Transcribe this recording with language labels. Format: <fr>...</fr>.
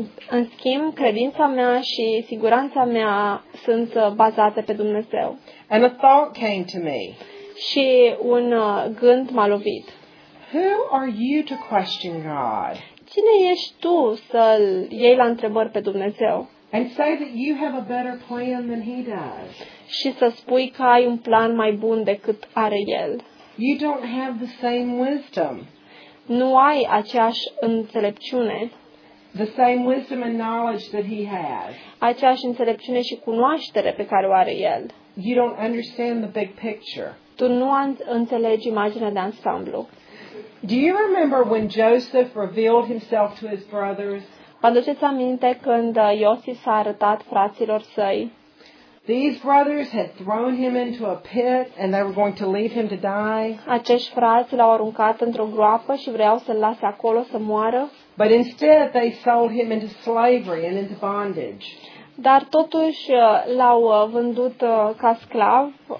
<ro>În schimb, credința mea și siguranța mea sunt bazate pe Dumnezeu.</ro> <en>And a thought came to me.</en> <ro>Și un gând m-a lovit.</ro> <en>Who are you to question God?</en> <ro>Cine ești tu să-l iei la întrebări pe Dumnezeu?</ro> <en>And say that you have a better plan than he does.</en> <ro>Și să spui că ai un plan mai bun decât are el.</ro> <en>You don't have the same wisdom.</en> <ro>Nu ai aceeași înțelepciune.</ro> <en>The same wisdom and knowledge that he has.</en> <ro>Aceeași înțelepciune și cunoaștere pe care o are el.</ro> <en>You don't understand the big picture.</en> <ro>Tu nu înțelegi imaginea de ansamblu.</ro> <en>Do you remember when Joseph revealed himself to his brothers?</en> <ro>Vă aduceți aminte când Iosif s-a arătat fraților săi?</ro> <en>These brothers had thrown him into a pit and they were going to leave him to die.</en> <ro>Acești frați l-au aruncat într-o groapă și vreau să-l lase acolo să moară.</ro> <en>But instead they sold him into slavery and into bondage.</en> <ro>Dar totuși l-au vândut ca sclav.</ro>